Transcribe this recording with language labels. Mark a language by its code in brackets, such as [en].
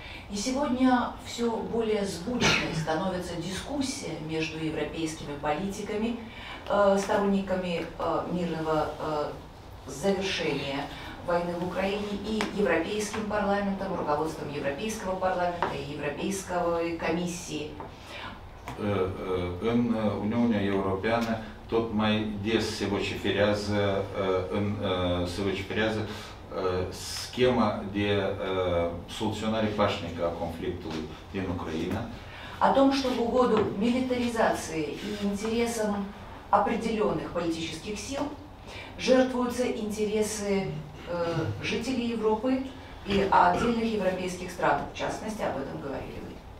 [ru] И сегодня все более звучной становится дискуссия между европейскими политиками, сторонниками мирного завершения войны в Украине и Европейским парламентом, руководством Европейского парламента и Европейской комиссии. [ro] În Uniunea Europeană tot mai des se vociferează, schema de soluționare pașnică a conflictului din Ucraina. [ru] О том, что в угоду милитаризации и интересам определенных политических сил жертвуются интересы жителей Европы и отдельных европейских стран, в частности, об этом говорили вы.